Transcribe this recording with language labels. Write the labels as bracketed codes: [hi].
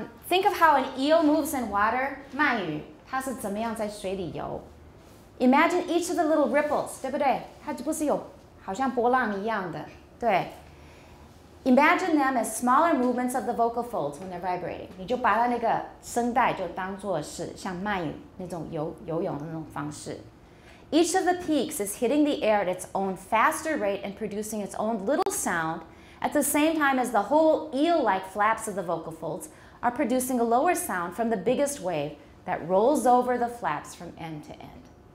[en] Think of how an eel moves in water. [zh] 鳗鱼它是怎么样在水里游 ？ [en] Imagine each of the little ripples, [zh] 对不对？它不是有好像波浪一样的，对 ？ [en] Imagine them as smaller movements of the vocal folds when they're vibrating. [zh] 你就把它那个声带就当作是像鳗鱼那种游泳的那种方式。 [en] Each of the peaks is hitting the air at its own faster rate and producing its own little sound. At the same time as the whole eel-like flaps of the vocal folds are producing a lower sound from the biggest wave that rolls over the flaps from end to end.